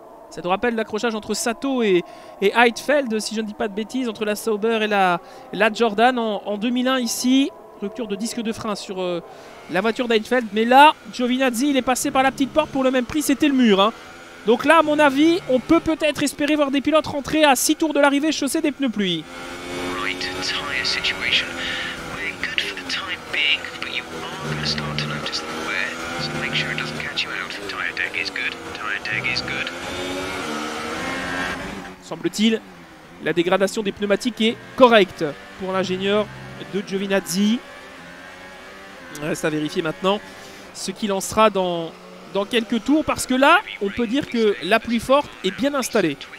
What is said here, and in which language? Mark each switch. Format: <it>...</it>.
<fr>Ça te rappelle l'accrochage entre Sato et Heidfeld, si je ne dis pas de bêtises, entre la Sauber et la Jordan en 2001 ici. Rupture de disque de frein sur la voiture d'Heidfeld. Mais là, Giovinazzi, il est passé par la petite porte pour le même prix. C'était le mur. Hein. Donc là, à mon avis, on peut peut-être espérer voir des pilotes rentrer à 6 tours de l'arrivée chaussée des pneus pluie.</fr> <en>Right, tire situation. We're good for the time being, but you are going to start to notice the wear. So make sure it doesn't catch you out. Tire deck is good. Tire deck is good.</en> <fr>Semble-t-il, la dégradation des pneumatiques est correcte pour l'ingénieur de Giovinazzi. Reste à vérifier maintenant ce qu'il en sera dans quelques tours, parce que là on peut dire que la pluie forte est bien installée.</fr>